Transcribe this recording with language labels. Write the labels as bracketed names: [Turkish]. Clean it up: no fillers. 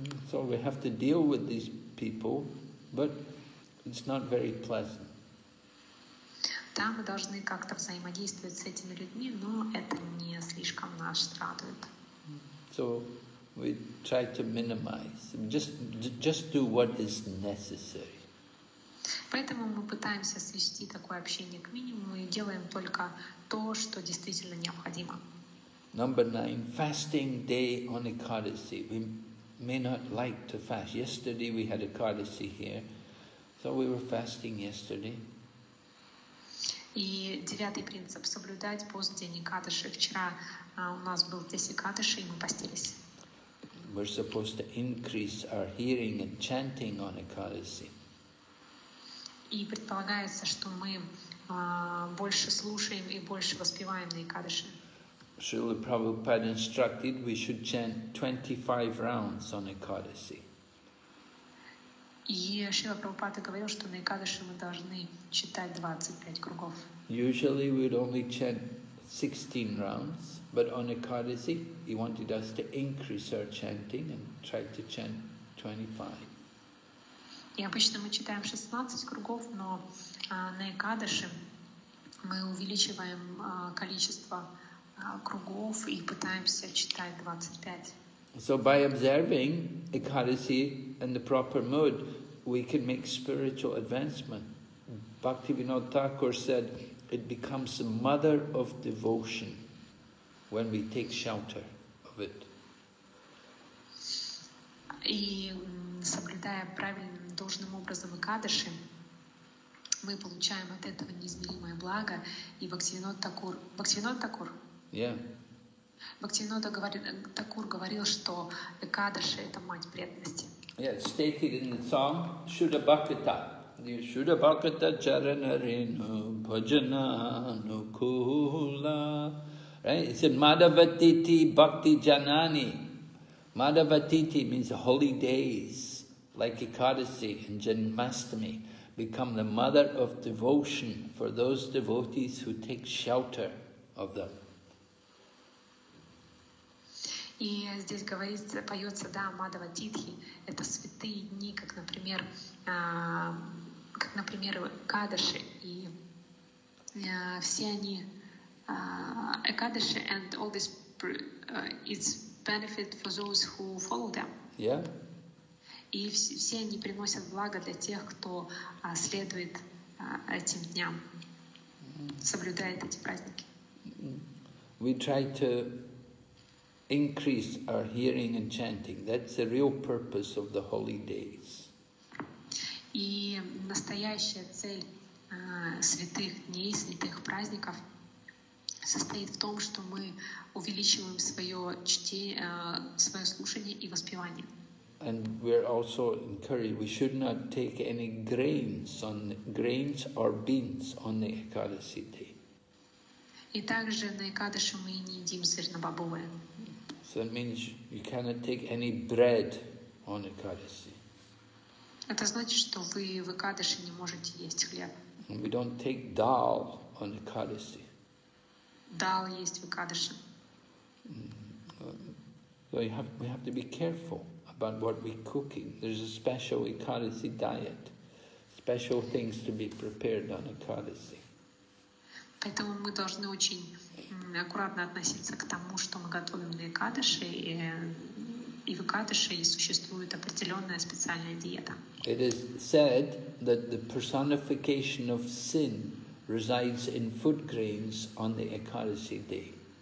[English] So we have to deal with these people, but it's not very pleasant. [Russian] Да, мы должны как-то взаимодействовать с этими людьми, но это не слишком нас радует. [English] So we try to minimize. Just do what is necessary. [Russian] Поэтому мы пытаемся свести такое общение к минимуму и делаем только то, что действительно необходимо. [English] Number 9. Fasting day on Ekadasi. We may not like to fast. Yesterday we had Ekadasi here, so we were fasting yesterday. [Russian] И девятый принцип – соблюдать пост день Экадаши. Вчера у нас был здесь Экадаши, и мы постились. [English] We're supposed to increase our hearing and chanting on Ekadasi. [Russian] И предполагается, что мы больше слушаем и больше воспеваем на Экадаши. [English] Srila Prabhupada instructed we should chant 25 rounds on Ekadasi. [Russian] И Шрила Прабхупада говорил, что на Экадаши мы должны читать 25 кругов. [English] Usually we'd only chant 16 rounds, but on Ekadasi he wanted us to increase our chanting and try to chant 25. [Russian] И обычно мы читаем 16 кругов, но на Экадаши мы увеличиваем количество кругов и пытаемся читать 25. [English] So by observing Ekadasi in the proper mood, we can make spiritual advancement. Bhaktivinoda Thakur said, it becomes the mother of devotion when we take shelter of it. [Russian] И соблюдая правильным, должным образом Экадаши, мы получаем от этого неизмеримое благо. И Бхактивинода Такур? [English] Yeah. [Russian] Бхактивинода Такур говорил, что Экадаши – это мать преданности. [English] Yeah, it's stated in the song Shuddha Bhakata. [Bangla] Shuddha Bhakata Charana Renu Bhajana Nukula. Right? [English] It said [Bangla] Madhavatiti Bhakti Janani. [English] Madhavatiti means holy days, like Ekadasi and Janmashtami, become the mother of devotion for those devotees who take shelter of them. [Russian] И здесь говорится, поется, да, Мадхава Титхи, это святые дни, как, например, Экадаши, и все они, Экадаши, [English] and all this is benefit for those who follow them. Yeah. [Russian] И все они приносят благо для тех, кто следует этим дням, соблюдает эти праздники. [English] We try to increase our hearing and chanting. That's the real purpose of the holy days. [Russian] И настоящая цель святых дней, святых праздников состоит в том, что мы увеличиваем свое чтение, свое слушание и воспевание. [English] And we're also encouraged, we should not take any grains or beans on the Ekadasi day. [Russian] И также на Экадаши мы не едим зернобобовое. [English] So that means you cannot take any bread on Ekadasi. [Russian] Это значит, что вы в Экадаши не можете есть хлеб. [English] And we don't take dal on Ekadasi. [Russian] Дал есть в Экадаши. [English] So we have to be careful about what we're cooking. There's a special Ekadasi diet, special things to be prepared on Ekadasi. [Russian] Поэтому мы должны очень аккуратно относиться к тому, что мы готовим на Экадаши, и в Экадаши существует определенная специальная диета. [English] It is said that the personification of sin resides in food grains on the Ekadasi day.